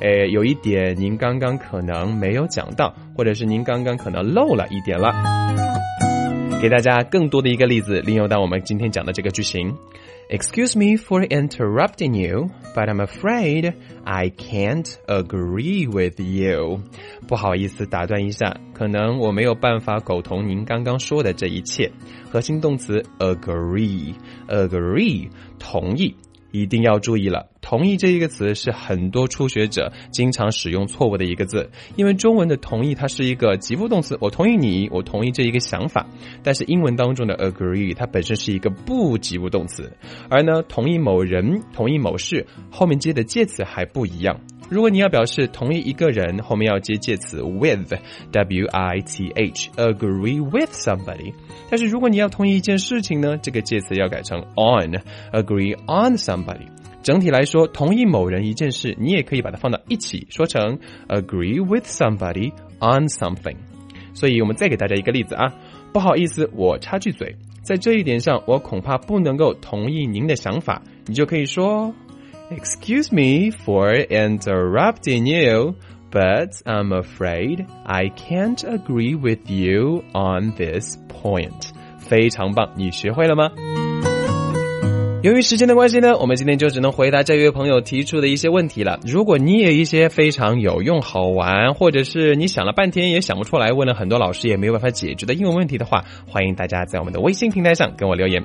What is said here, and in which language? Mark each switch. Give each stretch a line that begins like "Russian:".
Chinese: 有一点您刚刚可能没有讲到，或者是您刚刚可能漏了一点了。给大家更多的一个例子，利用到我们今天讲的这个句型。
English: Excuse me for interrupting you, but I'm afraid I can't agree with you.
Chinese: 不好意思打断一下，可能我没有办法苟同您刚刚说的这一切。核心动词 agree, 同意。一定要注意了，同意这一个词是很多初学者经常使用错误的一个字，因为中文的同意它是一个及物动词，我同意你，我同意这一个想法，但是英文当中的 agree 它本身是一个不及物动词，而呢，同意某人，同意某事，后面接的介词还不一样。如果你要表示同意一个人，后面要接介词 with, W-I-T-H,
English: agree with somebody.
Chinese: 但是如果你要同意一件事情呢，这个介词要改成 on,
English: agree on somebody.
Chinese: 整体来说，同意某人一件事，你也可以把它放到一起，说成
English: agree with somebody on something.
Chinese: 所以我们再给大家一个例子啊，不好意思，我插句嘴。在这一点上我恐怕不能够同意您的想法。你就可以说
English: Excuse me for interrupting you, but I'm afraid I can't agree with you on this point.
Chinese: 非常棒，你学会了吗？由于时间的关系呢，我们今天就只能回答这位朋友提出的一些问题了。如果你也有一些非常有用好玩，或者是你想了半天也想不出来，问了很多老师也没有办法解决的英文问题的话，欢迎大家在我们的微信平台上跟我留言。